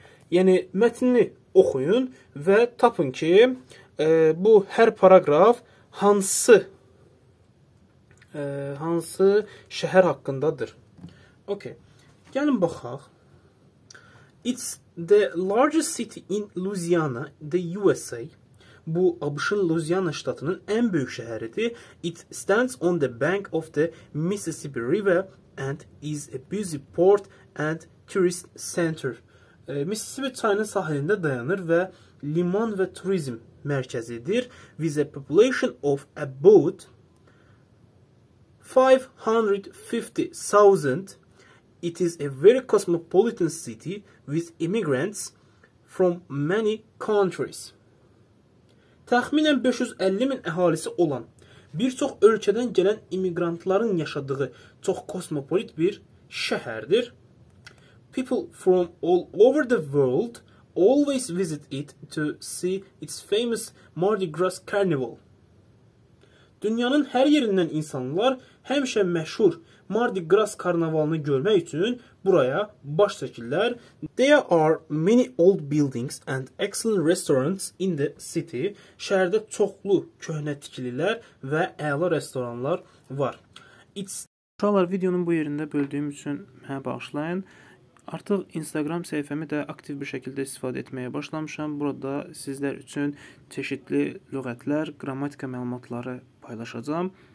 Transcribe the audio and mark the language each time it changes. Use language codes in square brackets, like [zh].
[az] Yəni mətnini oxuyun və tapın ki, bu hər paraqraf hansı şəhər haqqındadır. Okay. Gəlin baxaq. [en] It's the largest city in Louisiana, the USA. [az] Bu, ABŞ-ın Louisiana ştatının ən böyük şəhəridir. [en] It stands on the bank of the Mississippi River and is a busy port and tourist center. [az] Mississippi çayının sahilində dayanır və liman və turizm mərkəzidir. [en] With a population of about 550,000. It is a very cosmopolitan city with immigrants from many countries. [az] Təxminən 550 min əhalisi olan, bir çox ölkədən gələn immigrantların yaşadığı çox kosmopolit bir şəhərdir. [en] People from all over the world always visit it to see its famous Mardi Gras Carnival. [az] Dünyanın hər yerindən insanlar həmişə məşhur Mardi Gras karnavalını görmək üçün buraya baş çəkirlər. [en] There are many old buildings and excellent restaurants in the city. [az] Şəhərdə çoxlu köhnə tikililər və əla restoranlar var. Uşaqlar, videonun bu yerində böldüyüm üçün mənə bağışlayın. Artıq Instagram səhifəmi də aktiv bir şəkildə istifadə etməyə başlamışam. Burada sizlər üçün çeşidli lüğətlər, qrammatika məlumatları paylaşacağım.